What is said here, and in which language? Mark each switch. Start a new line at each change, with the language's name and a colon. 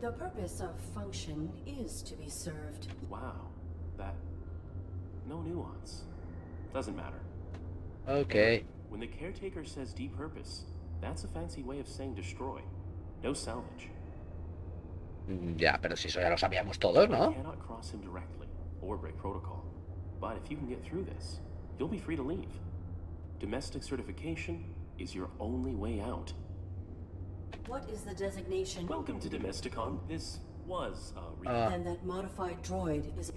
English: The purpose of function is to be served. Wow. That... no nuance. Doesn't matter. Okay. When the caretaker says depurpose, that's a fancy way of saying destroy. No salvage.
Spanish: Ya, pero si eso ya lo sabíamos todos, ¿no?
English: You cannot cross him directly or break protocol. But if you can get through this, you'll be free to leave. Domestic certification is your only way out. What is the designation? Welcome to Domesticon. This was a And that modified droid is